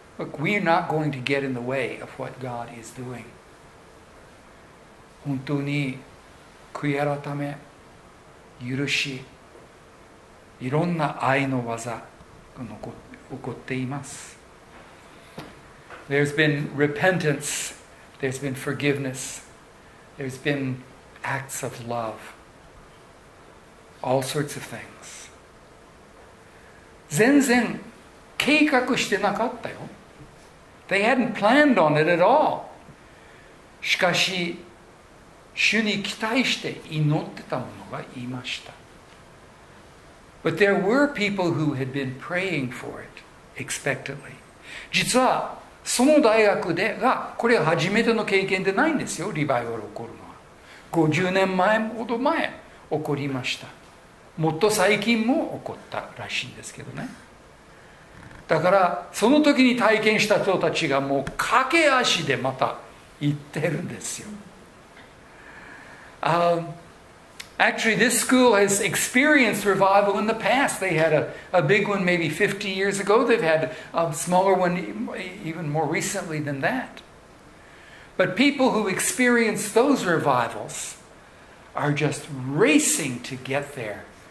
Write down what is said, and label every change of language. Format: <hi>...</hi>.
<en>Look, we are not going to get in the way of what God is doing.</en> <ja>本当に悔い改め、許し、いろんな愛の技が起こっています。</ja> <en>There's been repentance, there's been forgiveness, there's been acts of love, all sorts of things.</en> <ja>全然計画してなかったよ。</ja> <en>They hadn't planned on it at all.</en> <ja>しかし、主に期待して祈ってたものがいました。</ja> <en>But there were people who had been praying for it expectantly.</en> <ja>実は、その大学でが、これは初めての経験でないんですよ、リバイバル起こるのは。 50年前ほど前起こりました。もっと最近も起こったらしいんですけどね。だから、その時に体験した人たちがもう駆け足でまた行ってるんですよ。</ja> <en>Actually, this school has experienced revival in the past. They had a big one maybe 50 years ago. They've had a smaller one even more recently than that. But people who experience those revivals are just racing to get there.</en>